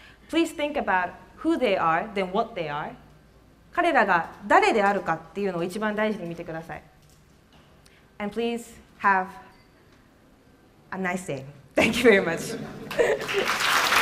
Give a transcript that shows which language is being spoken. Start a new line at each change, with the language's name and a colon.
English: Please think about who they are, then what they are.
Japanese: 彼らが誰であるかっていうのを一番大事に見てください。
English: And please have a nice day. Thank you very much.